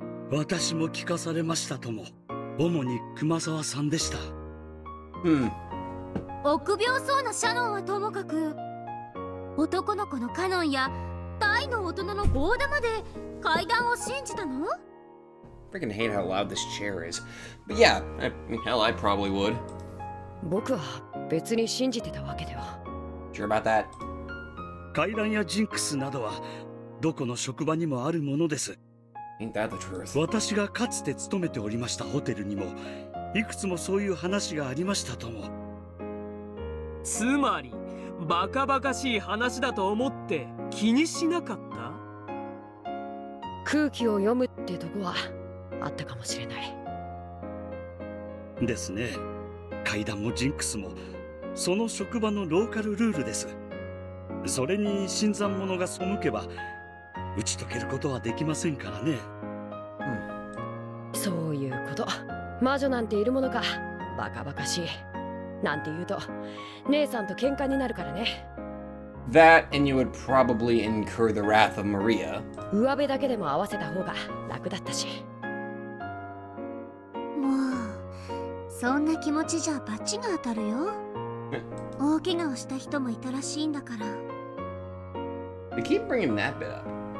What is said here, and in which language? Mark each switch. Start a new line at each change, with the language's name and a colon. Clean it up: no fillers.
Japanese: 私も聞かされましたとも。主に熊沢さんでした。うん。臆病そうなシャノンはともかく、男の子のカノンや大の大人のゴーダまで階段を信じたの？
English: I freaking hate how loud this chair is. But yeah, hell, I probably would.
Japanese: 僕は別に信じてたわけでは。
English: Sure about that?
Japanese: 階段やジンクスなどはどこの職場にもあるものです。
English: Ain't that the truth?
Japanese: 私がかつて勤めておりましたホテルにもいくつもそういう話がありましたとも。つまりバカバカしい話だと思って気にしなかった。空気を読むってとこはあったかもしれないですね。階段もジンクスもその職場のローカルルールです。それに新参者が背けば打ち解けることはできませんからね。そういうこと。魔女なんているものか。バカバカしい。なんて言うと、姉さんと喧嘩になるからね。
English: That and you would probably incur the wrath of Maria.
Japanese: 上辺だけでも合わせた方が楽だったし。もう、そんな気持ちじゃバチが当たるよ。大怪我をした人もいたらしいんだから。
English: They keep bringing that bit up.